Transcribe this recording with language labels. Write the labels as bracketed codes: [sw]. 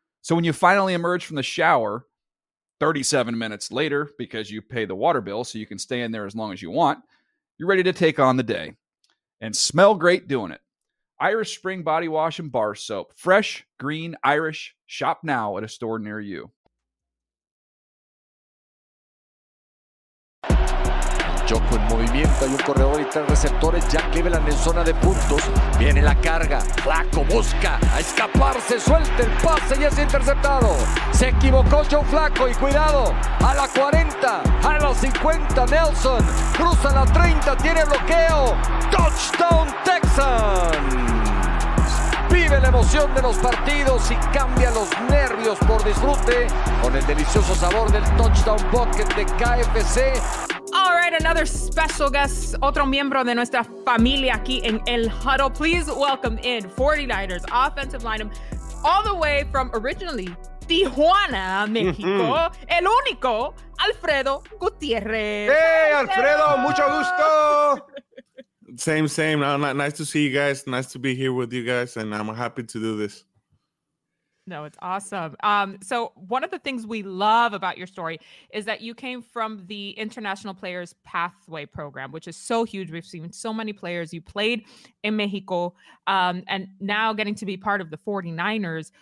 [en] So when you finally emerge from the shower 37 minutes later, because you pay the water bill so you can stay in there as long as you want, you're ready to take on the day and smell great doing it. Irish Spring body wash and bar soap. Fresh, green, Irish. Shop now at a store near you. [es] Jocko en movimiento, hay un corredor y tres receptores, ya Cleveland en zona de puntos, viene la carga, Flacco busca a escaparse, suelta el pase y es interceptado, se equivocó Joe Flacco y cuidado, a la 40, a la 50 Nelson, cruza la 30, tiene bloqueo, touchdown Texans, vive la emoción de los partidos y cambia los nervios por disfrute con el delicioso sabor del touchdown bucket de KFC. [en] All right, another special guest, [es] otro miembro de nuestra familia aquí en El Huddle. [en] Please welcome in 49ers offensive lineman, all the way from originally Tijuana, Mexico, [es] el único [en] Alfredo Gutierrez. [es] Hey, Alfredo, mucho gusto. [en] Same. Nice to see you guys. Nice to be here with you guys, and I'm happy to do this. No, it's awesome. So one of the things we love about your story is that you came from the International Players Pathway Program, which is so huge. We've seen so many players. You played in Mexico, and now getting to be part of the 49ers.